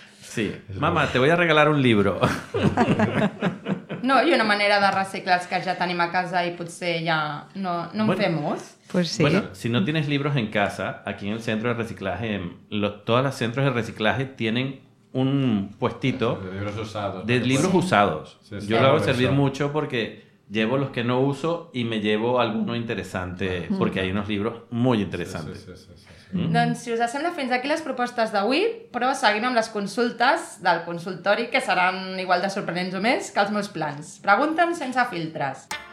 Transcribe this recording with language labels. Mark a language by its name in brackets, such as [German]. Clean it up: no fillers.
[Spanish] Sí. Mama, te voy a regalar un libro. [Catalan] No, i una manera de reciclar els que ja tenim a casa i potser ja no en fem ús. [Spanish] Pues sí. Bueno, si no tienes libros en casa, aquí en el centro de reciclaje, todos los centros de reciclaje tienen un puestito de libros usados. De libros usados. Sí, yo lo hago servir mucho porque llevo los que no uso y me llevo alguno interesante, porque hay unos libros muy interesantes. Sí. [Catalan] Doncs si us sembla, fins aquí les propostes d'avui, però seguim amb les consultes del consultori, que seran igual de sorprenents o més que els meus plans. Pregunta'm sense filtres.